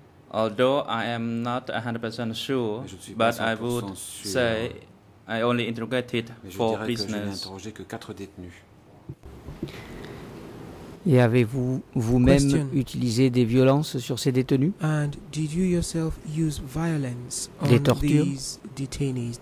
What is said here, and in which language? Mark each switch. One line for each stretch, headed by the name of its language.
English: Although I am not 100% sure, but I would say I only interrogated 4 prisoners.
French: Je n'ai interrogé que 4 détenus. Et avez-vous vous-même utilisé des violences sur ces détenus?
English: And did you yourself use violence on these detainees?